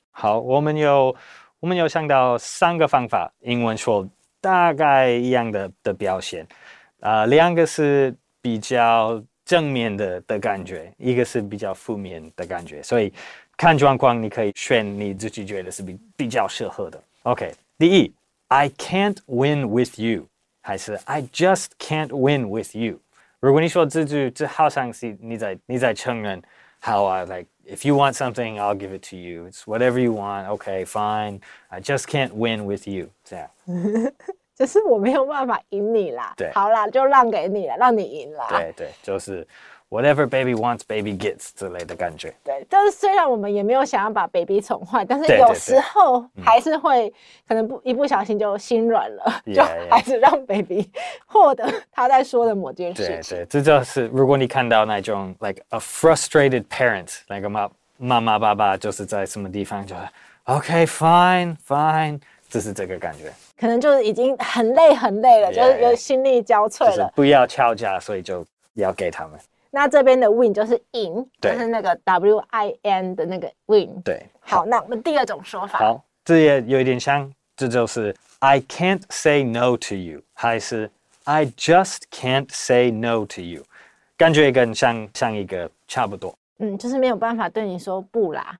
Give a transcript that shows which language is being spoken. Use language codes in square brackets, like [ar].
[zh] 好，我们有想到三个方法，英文说。大概一样 的表现。两个是比较正面 的感觉，一个是比较负面的感觉，所以看状况你可以选你自己觉得是 比较适合的。 [en] OK， [zh] 第一 [en] I can't win with you [zh] 还是 [en] I just can't win with you。 [zh] 如果你说自己这好像是你在承认 [en] How I like If you want something I'll give it to you It's whatever you want OK fine I just can't win with you [zh] 这样就是我没有办法赢你啦，对，好啦，就让给你啦，让你赢啦。对对，就是 [en] whatever baby wants, baby gets [zh] 之类的感觉。对，但是虽然我们也没有想要把 baby 宠坏，但是有时候还是会可能一不小心就心软了，对对对，就还是让 baby 获得他在说的某件事情。对对，这就是如果你看到那种 [en] like a frustrated parent, [zh] 那个妈妈爸爸就是在什么地方就 OK fine fine。就是这个感觉，可能就是已经很累很累了， yeah, yeah. 就是有心力交瘁了，就是不要敲架，所以就要给他们。那这边的 win 就是赢，就是那个 W I N 的那个 win。对，好，那我们第二种说法，好，这也有一点像，这就是 [en] I can't say no to you， [zh] 还是 [en] I just can't say no to you， [zh] 感觉跟像一个差不多。嗯，就是没有办法对你说不啦。